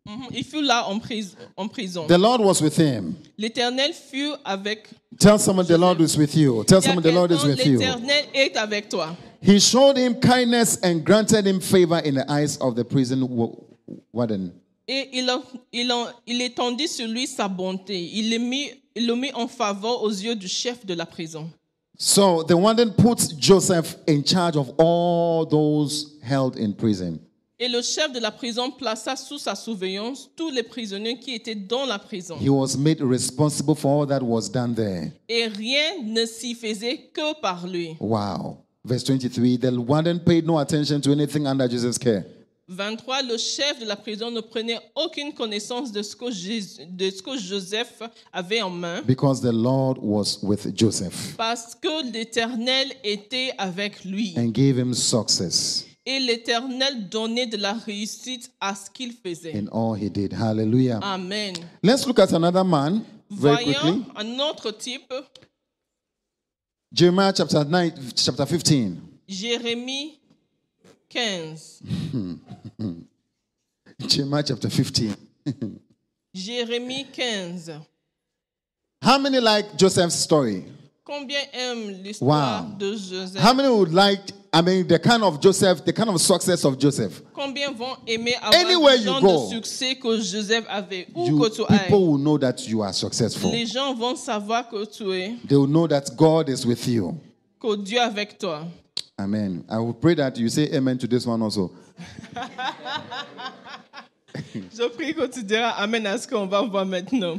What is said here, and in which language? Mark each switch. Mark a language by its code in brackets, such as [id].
[fr] Il fut là en prison. [en] The Lord was with him. [fr] L'Éternel fut avec. [en] Tell someone the Lord is with you. Tell someone the Lord is with you. [fr] L'Éternel est avec toi. [en] He showed him kindness and granted him favor in the eyes of the prison warden. [fr] Et il étendit sur lui sa bonté. Il le mit en faveur aux yeux du chef de la prison. [en] So the warden puts Joseph in charge of all those held in prison. [fr] Et le chef de la prison plaça sous sa surveillance tous les prisonniers qui étaient dans la prison. [en] He was made responsible for all that was done there. [fr] Et rien ne s'y faisait que par lui. [en] Wow. Verse 23, the warden paid no attention to anything under Joseph's care. [fr] 23, le chef de la prison ne prenait aucune connaissance de ce que Joseph avait en main. [en] Because the Lord was with Joseph. [fr] Parce que l'Éternel était avec lui. [en] And gave him success. [fr] Et l'Éternel donnait de la réussite à ce qu'il faisait. [en] In all he did. Hallelujah. Amen. Let's look at another man very quickly. [fr] Voyons un autre type. [en] Jeremiah chapter 9, chapter 15. [fr] Jérémie 15. [en] Jeremiah chapter 15. [fr] Jérémie 15. [en] How many like Joseph's story? [fr] Combien aime l'histoire de Joseph? [en] How many would like the kind of Joseph, the kind of success of Joseph. [fr] Combien vont aimer avoir [en] anywhere you go, [fr] le succès que Joseph avait, que tu ailles. [en] People will know that you are successful. [fr] Les gens vont savoir que tu es. [en] They will know that God is with you. [fr] Que Dieu est avec toi. [en] Amen. I will pray that you say amen to this one also. [fr] Je prie que tu diras amen à ce qu'on va voir maintenant.